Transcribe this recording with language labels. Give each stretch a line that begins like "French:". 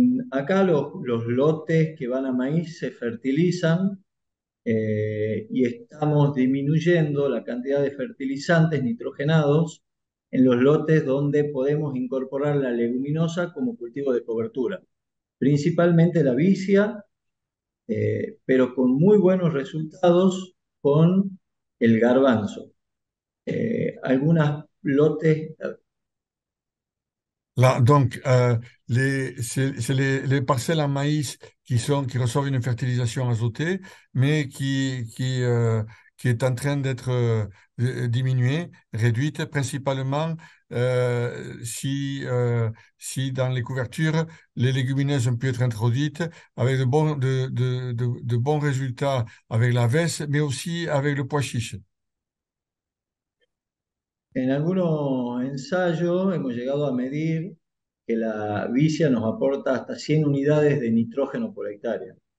Spanish: Acá los lotes que van a maíz se fertilizan y estamos disminuyendo la cantidad de fertilizantes nitrogenados en los lotes donde podemos incorporar la leguminosa como cultivo de cobertura. Principalmente la vicia, pero con muy buenos resultados con el garbanzo. Algunas lotes.
French: Là, donc, c'est les parcelles en maïs qui reçoivent une fertilisation azotée, mais qui est en train d'être diminuée, réduite, principalement si dans les couvertures, les légumineuses ont pu être introduites avec de bons résultats avec la veste, mais aussi avec le pois chiche.
Spanish: En algunos ensayos hemos llegado a medir que la vicia nos aporta hasta 100 unidades de nitrógeno por hectárea.